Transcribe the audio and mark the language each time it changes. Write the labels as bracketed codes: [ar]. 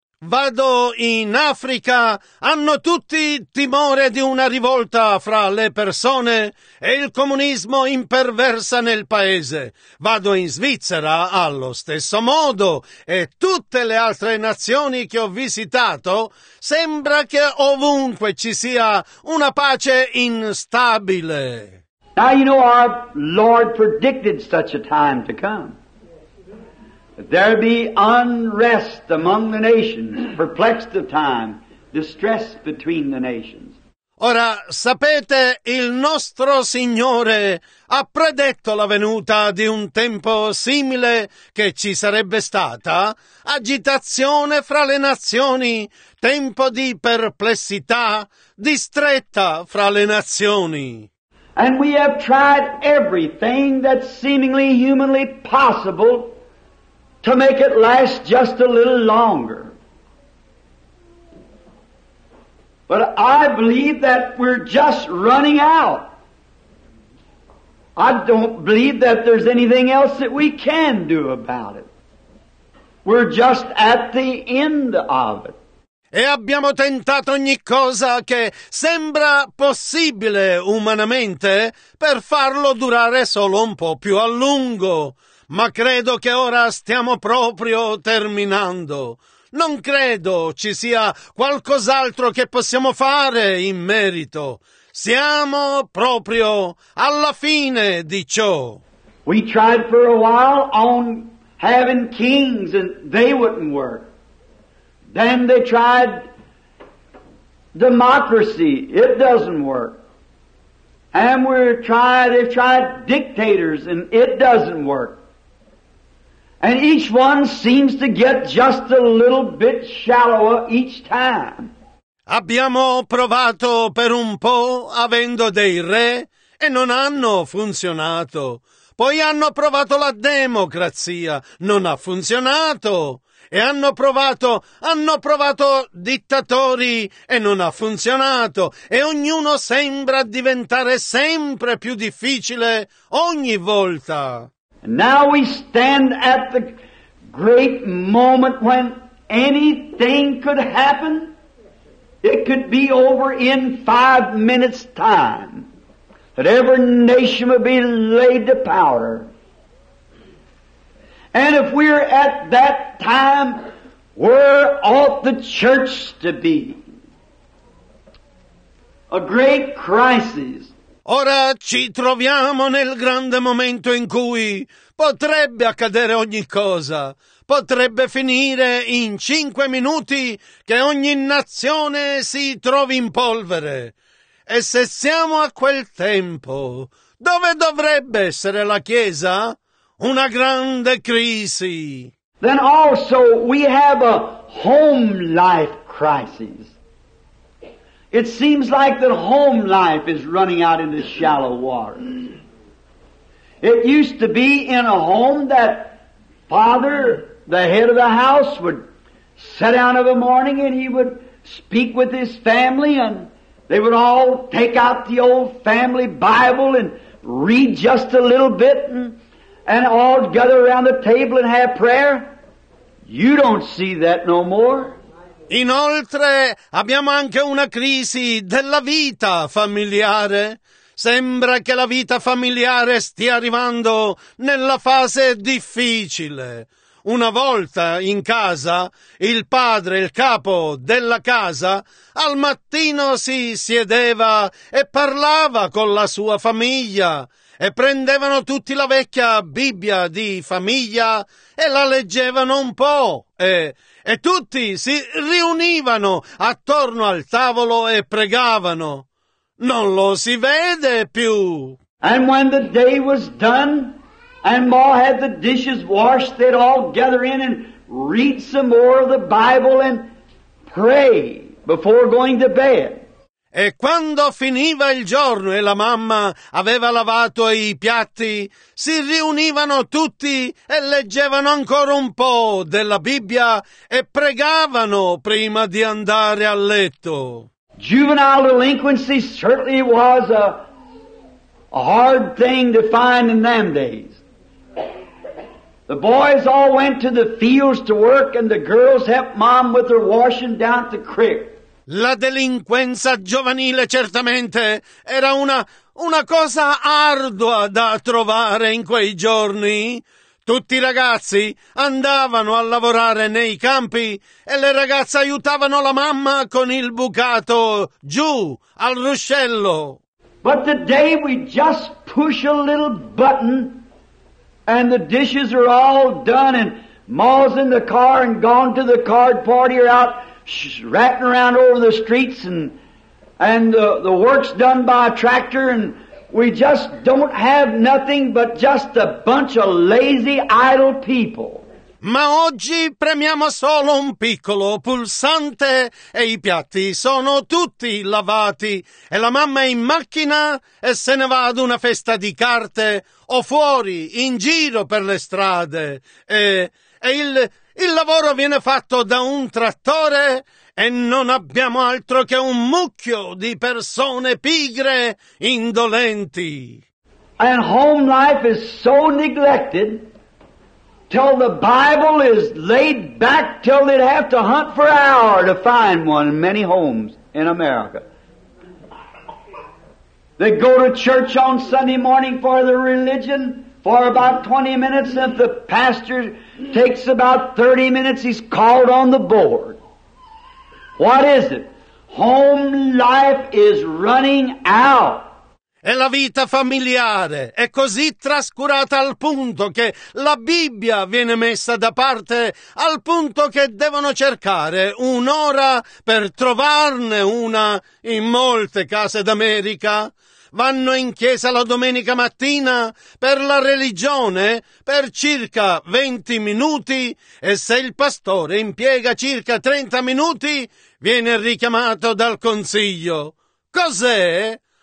[it] Vado in Africa, hanno tutti timore di una rivolta fra le persone e il comunismo imperversa nel paese. Vado in Svizzera allo stesso modo e tutte le altre nazioni che ho visitato, sembra che ovunque ci sia una pace instabile. [en] Now you know our Lord predicted such a time to come. There be unrest among the nations, perplexed of time, distress between the nations. [it] Ora, sapete, il nostro Signore ha predetto la venuta di un tempo simile che ci sarebbe stata, agitazione fra le nazioni, tempo di perplessità, distretta fra le nazioni. [en] And we have tried everything that's seemingly humanly possible to make it last just a little longer. But I believe that we're just running out. I don't believe that there's anything else that we can do about it. We're just at the end of it. [it] E abbiamo tentato ogni cosa che sembra possibile umanamente per farlo durare solo un po' più a lungo. Ma credo che ora stiamo proprio terminando. Non credo ci sia qualcos'altro che possiamo fare in merito. Siamo proprio alla fine di ciò. [en] We tried for a while on having kings and they wouldn't work. Then they tried democracy, it doesn't work. And they've tried dictators and it doesn't work. And each one seems to get just a little bit shallower each time. [it] Abbiamo provato per un po' avendo dei re e non hanno funzionato. Poi hanno provato la democrazia, non ha funzionato. E hanno provato dittatori e non ha funzionato. E ognuno sembra diventare sempre più difficile ogni volta. [en] Now we stand at the great moment when anything could happen. It could be over in 5 minutes time. That every nation would be laid to powder. And if we're at that time, where ought the church to be? A great crisis. [it] Ora ci troviamo nel grande momento in cui potrebbe accadere ogni cosa. Potrebbe finire in 5 minuti che ogni nazione si trovi in polvere. E se siamo a quel tempo, dove dovrebbe essere la Chiesa? Una grande crisi. [en] Then also we have a home life crisis. It seems like that home life is running out into shallow waters. It used to be in a home that father, the head of the house, would sit down of a morning and he would speak with his family and they would all take out the old family Bible and read just a little bit and all gather around the table and have prayer. You don't see that no more. [it] Inoltre, abbiamo anche una crisi della vita familiare. Sembra che la vita familiare stia arrivando nella fase difficile. Una volta in casa, il padre, il capo della casa, al mattino si siedeva e parlava con la sua famiglia e prendevano tutti la vecchia Bibbia di famiglia e la leggevano un po' e tutti si riunivano attorno al tavolo e pregavano. Non lo si vede più. [en] And when the day was done, and Ma had the dishes washed, they'd all gather in and read some more of the Bible and pray before going to bed. [it] E quando finiva il giorno e la mamma aveva lavato i piatti, si riunivano tutti e leggevano ancora un po' della Bibbia e pregavano prima di andare a letto. [en] Juvenile delinquency certainly was a hard thing to find in them days. The boys all went to the fields to work and the girls helped mom with her washing down at the creek. [it] La delinquenza giovanile certamente era una cosa ardua da trovare in quei giorni. Tutti i ragazzi andavano a lavorare nei campi e le ragazze aiutavano la mamma con il bucato giù al ruscello. [en] But today we just push a little button and the dishes are all done and Ma's in the car and gone to the card party or out ratting around over the streets and the work's done by a tractor and we just don't have nothing but just a bunch of lazy, idle people. [it] Ma oggi premiamo solo un piccolo pulsante e i piatti sono tutti lavati e la mamma è in macchina e se ne va ad una festa di carte o fuori, in giro per le strade. E il lavoro viene fatto da un trattore e non abbiamo altro che un mucchio di persone pigre, indolenti. [en] And home life is so neglected. Till the Bible is laid back, till they'd have to hunt for an hour to find one in many homes in America. They go to church on Sunday morning for the religion for about 20 minutes, and if the pastor takes about 30 minutes, he's called on the board. What is it? Home life is running out. [it] E la vita familiare è così trascurata al punto che la Bibbia viene messa da parte, al punto che devono cercare un'ora per trovarne una in molte case d'America. vanno in chiesa la domenica mattina per la religione per circa 20 minuti e se il pastore impiega circa 30 minuti viene richiamato dal consiglio. Cos'è?